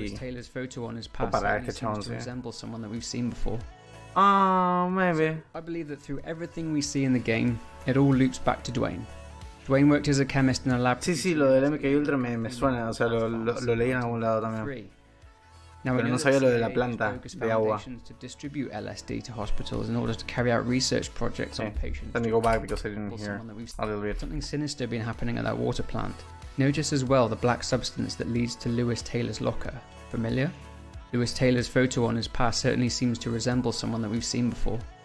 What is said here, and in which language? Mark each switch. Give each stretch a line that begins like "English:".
English: Lewis Taylor's photo on his past seems to resemble someone that we've seen before. Maybe. So I believe that through everything we see in the game, it all loops back to Dwayne. Dwayne worked as a chemist in a lab.
Spanish: Sí, sí, lo del MKUltra me suena. O sea, lo leí en algún lado también. Pero no sabía lo de la planta de agua.
English: To distribute LSD to hospitals in order to carry out research projects on patients. Let me go back because I didn't hear a little bit. Something sinister been happening at that water plant. Notice as well the black substance that leads to Lewis Taylor's locker. Familiar? Lewis Taylor's photo on his past certainly seems to resemble someone that we've seen before.